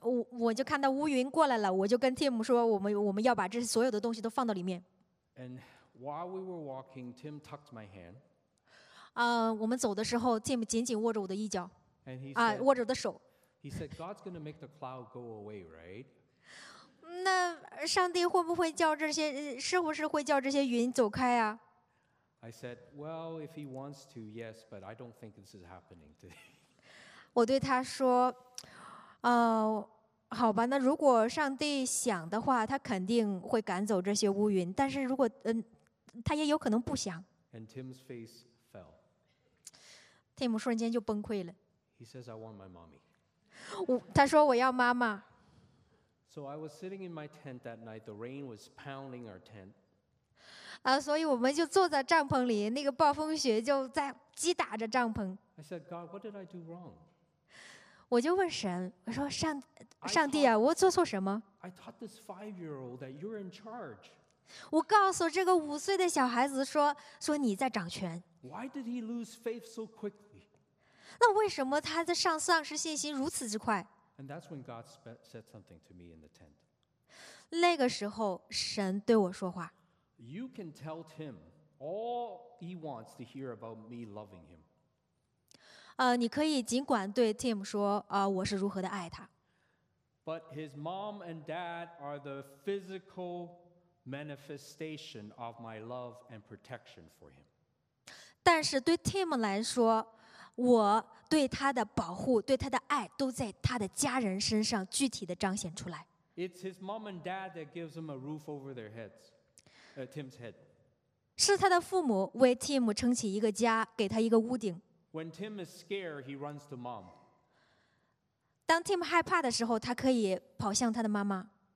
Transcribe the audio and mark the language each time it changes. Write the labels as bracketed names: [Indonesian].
[Chinese] 我就看到乌云过来了，我就跟 Tim 说，我们要把这所有的东西都放到里面。 [English] And While we were walking, Tim tucked my hand. [Chinese] 我们走的时候 ，Tim 紧紧握着我的衣角。 [English] And he [Chinese] 握着我的手。 [English] He said, "God's going to make the cloud go away, right?" [Chinese] 那上帝会不会叫这些，是不是会叫这些云走开啊？ [English] I said, "Well, if he wants to, yes, but I don't think this is happening today." [Chinese] 我对他说，好吧，那如果上帝想的话，他肯定会赶走这些乌云。但是如果他也有可能不想。 [English] And Tim's face fell. [Chinese] Tim 瞬间就崩溃了。 [English] He says, "I want my mommy." [Chinese] 他说我要妈妈。 [English] So I was sitting in my tent that night. The rain was pounding our tent. [Chinese] 所以我们就坐在帐篷里，那个暴风雪就在击打着帐篷。 [English] I said, "God, what did I do wrong?" [Chinese] 我就问神，我说上帝啊，我做错什么？ [English] I taught this five-year-old that you're in charge. [Chinese] 我告诉这个五岁的小孩子说你在掌权。 [English] Why did he lose faith so quickly? [Chinese] 那为什么他在丧失信心如此之快？ [English] And that's when God said something to me in the tent. [Chinese] 那个时候神对我说话。 [English] You can tell Tim all he wants to hear about me loving him. [Chinese] 你可以尽管对 Tim 说，我是如何的爱他。 [English] But his mom and dad are the physical manifestation of my love and protection for him. [Chinese] 但是对 Tim 来说，我对他的保护，对他的爱，都在他的家人身上具体的彰显出来。 [English] It's his mom and dad that gives him a roof over their heads, Tim's head. [Chinese] 是他的父母为 Tim 撑起一个家，给他一个屋顶。 [English] When Tim is scared, he runs to mom. [Chinese] 当 Tim 害怕的时候，他可以跑向他的妈妈。